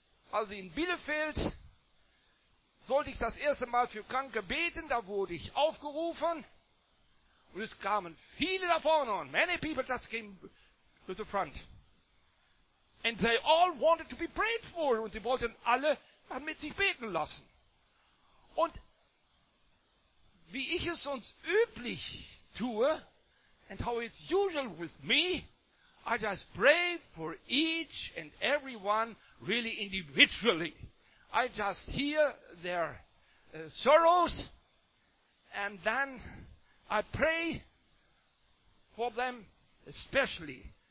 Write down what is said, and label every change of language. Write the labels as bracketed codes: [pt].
[de] Also in Bielefeld sollte ich das erste Mal für Kranke beten, da wurde ich aufgerufen. Und es kamen viele davon und [en] many people just came to the front. And they all wanted to be prayed for. [de] Und sie wollten alle mit sich beten lassen. Und wie ich es sonst üblich tue, [en] and how it's usual with me, I just pray for each and everyone really individually. I just hear their sorrows and then I pray for them especially.